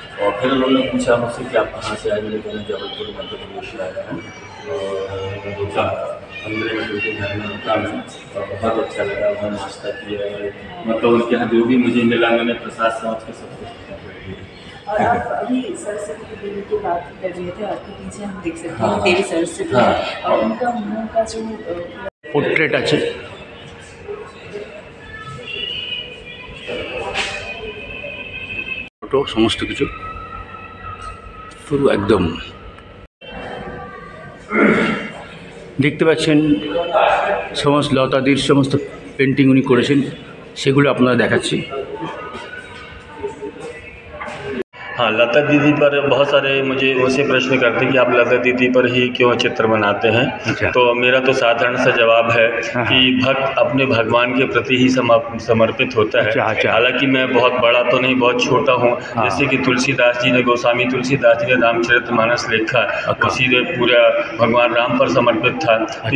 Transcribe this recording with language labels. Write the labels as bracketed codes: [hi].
[hi] और फिर उन्होंने पूछा मुझसे कि आप कहाँ से आए, मैंने कहा जबलपुर मध्य प्रदेश से आया हूँ, और बहुत अच्छा लगा, वहाँ नाश्ता किया, मतलब उनके यहाँ जो भी मुझे मिला मैंने प्रसाद समझ के सब कुछ। पोर्ट्रेट अच्छे [bn] ফটো সমস্ত কিছু পুরো একদম দেখতে পাচ্ছেন, সমস্ত লতাদির সমস্ত পেন্টিং উনি করেছেন, সেগুলো আপনারা দেখাচ্ছি। [hi] हाँ, लता दीदी पर बहुत सारे मुझे उनसे प्रश्न करते हैं कि आप लता दीदी पर ही क्यों चित्र बनाते हैं। अच्छा, तो मेरा तो साधारण सा जवाब है कि भक्त अपने भगवान के प्रति ही समर्पित होता है। अच्छा, अच्छा। हालांकि मैं बहुत बड़ा तो नहीं, बहुत छोटा हूँ, जैसे कि तुलसीदास जी ने, गोस्वामी तुलसीदास जी ने रामचरित मानस लिखा, उसी ने पूरा भगवान राम पर समर्पित था।